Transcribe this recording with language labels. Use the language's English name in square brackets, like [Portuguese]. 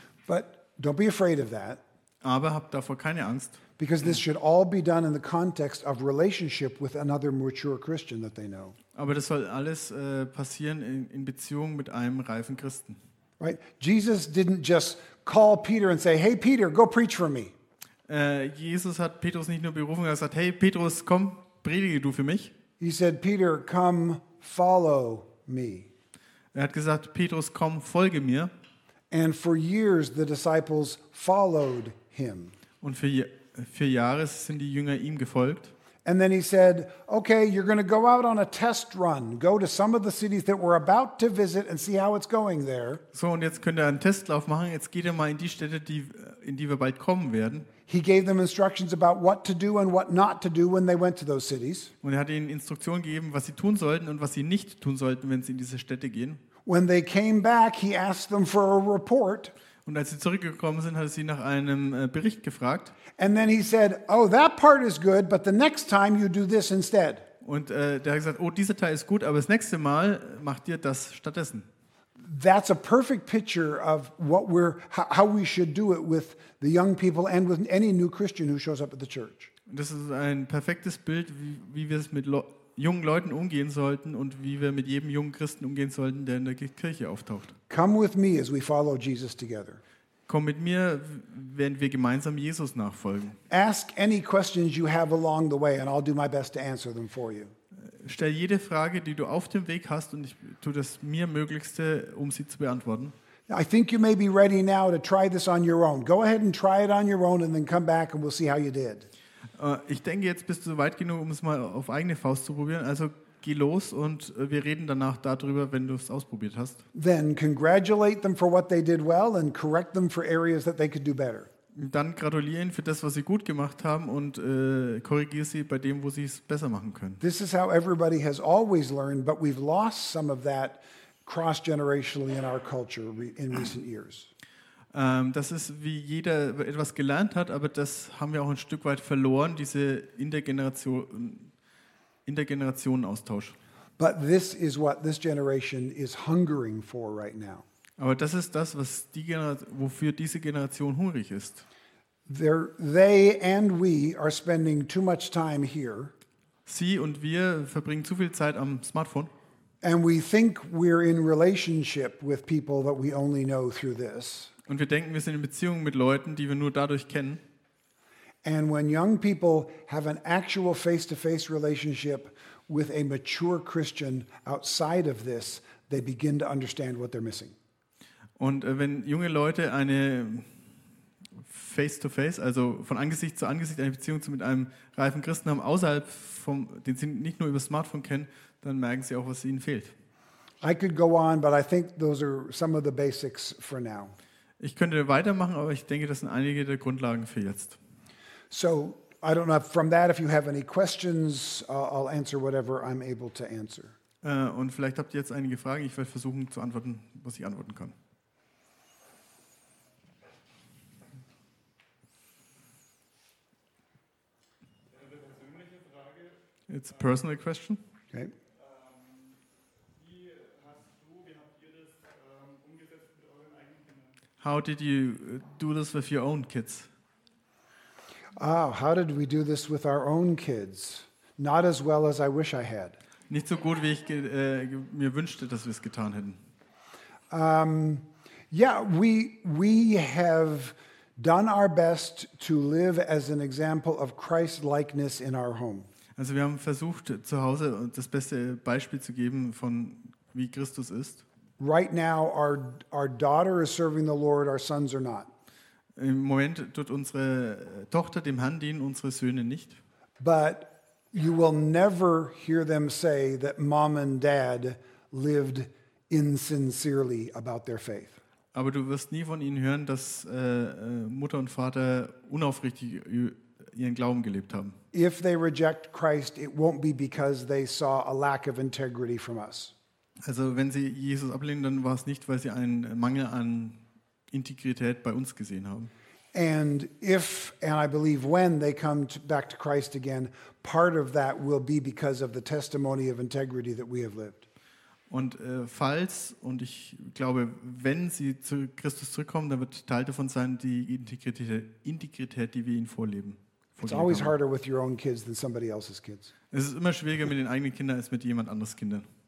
[English] But don't be afraid of that. [German] Aber habt davor keine Angst. [English] Because this should all be done in the context of relationship with another mature Christian that they know. [German] Aber das soll alles passieren in Beziehung mit einem reifen Christen. [English] Right? Jesus didn't just call Peter and say, "Hey Peter, go preach for me." [German] Jesus hat Petrus nicht nur berufen, er hat gesagt, "Hey Petrus, komm, predige du für mich." [English] He said, "Peter, come follow me." [German] Er hat gesagt, Petrus, komm, folge mir. [English] And for years the disciples followed him. [German] Und für Jahre sind die Jünger ihm gefolgt. [English] And then he said, "Okay, you're going to go out on a test run. Go to some of the cities that we're about to visit and see how it's going there." [German] So, und jetzt könnt ihr einen Testlauf machen. Jetzt geht ihr mal in die Städte, in die wir bald kommen werden. [English] He gave them instructions about what to do and what not to do when they went to those cities. [German] Und er hat ihnen Instruktionen gegeben, was sie tun sollten und was sie nicht tun sollten, wenn sie in diese Städte gehen. [English] When they came back, he asked them for a report. [German] Und als sie zurückgekommen sind, hat er sie nach einem Bericht gefragt. [English] And then he said, "Oh, that part is good, but the next time you do this instead." [German] Und der hat gesagt, oh, dieser Teil ist gut, aber das nächste Mal macht ihr das stattdessen. [English] That's a perfect picture of what we're how we should do it with the young people and with any new Christian who shows up at the church. [German] Das ist ein perfektes Bild, wie wir es mit jungen Leuten umgehen sollten und wie wir mit jedem jungen Christen umgehen sollten, der in der Kirche auftaucht. [English] Come with me as we follow Jesus together. [German] Komm mit mir, während wir gemeinsam Jesus nachfolgen. [English] Ask any questions you have along the way and I'll do my best to answer them for you. [German] Stell jede Frage, die du auf dem Weg hast und ich tue das mir Möglichste, um sie zu beantworten. [English] I think you may be ready now to try this on your own. Go ahead and try it on your own and then come back and we'll see how you did. [German] Ich denke, jetzt bist du weit genug, um es mal auf eigene Faust zu probieren. Also geh los und wir reden danach darüber, wenn du es ausprobiert hast. [English] Then congratulate them for what they did well and correct them for areas that they could do better. [German] Dann gratuliere ihnen für das, was sie gut gemacht haben und korrigiere sie bei dem, wo sie es besser machen können. [English] This is how everybody has always learned, but we've lost some of that cross-generationally in our culture in recent years. [German] Das ist, wie jeder etwas gelernt hat, aber das haben wir auch ein Stück weit verloren, diese Intergenerationenaustausch. [English] But this is what this generation is hungering for right now. [German] Aber das ist das, was die wofür diese Generation hungrig ist. [English] They and we are spending too much time here. [German] Sie und wir verbringen zu viel Zeit am Smartphone. [English] And we think we're in relationship with people that we only know through this. [German] Und wir denken, wir sind in Beziehung mit Leuten, die wir nur dadurch kennen. [English] And when young people have an actual face-to-face relationship with a mature Christian outside of this, they begin to understand what they're missing. [German] Und wenn junge Leute eine Face-to-Face, also von Angesicht zu Angesicht eine Beziehung mit einem reifen Christen haben, außerhalb vom, den sie nicht nur über das Smartphone kennen, dann merken sie auch, was ihnen fehlt. [English] I could go on, but I think those are some of the basics for now. [German] Ich könnte weitermachen, aber ich denke, das sind einige der Grundlagen für jetzt. [English] So, I don't know, from that, if you have any questions, I'll answer whatever I'm able to answer. [German] Und vielleicht habt ihr jetzt einige Fragen, ich werde versuchen zu antworten, was ich antworten kann. [English] It's a personal question. Okay. How did you do this with your own kids? Oh, how did we do this with our own kids? Not as well as I wish I had. [German] Nicht so gut, wie ich mir wünschte, dass wir es getan hätten. [English] We have done our best to live as an example of Christ-likeness in our home. [German] Also wir haben versucht, zu Hause das beste Beispiel zu geben von wie Christus ist. [English] Right now, our daughter is serving the Lord. Our sons are not. [German] Im Moment tut unsere Tochter dem Herrn dienen, unsere Söhne nicht. [English] But you will never hear them say that mom and dad lived insincerely about their faith. [German] Aber du wirst nie von ihnen hören, dass Mutter und Vater unaufrichtig ihren Glauben gelebt haben. [English] If they reject Christ, it won't be because they saw a lack of integrity from us. [German] Also wenn sie Jesus ablehnen, dann war es nicht, weil sie einen Mangel an Integrität bei uns gesehen haben. [English] And if, and I believe when they come back to Christ again, part of that will be because of the testimony of integrity that we have lived. [German] Und falls, und ich glaube, wenn sie zu Christus zurückkommen, dann wird Teil davon sein, die Integrität, die wir ihnen vorleben. [English] It's always harder with your own kids than somebody else's kids. [German] Es ist immer schwieriger mit den eigenen Kindern als mit jemand anderes Kindern.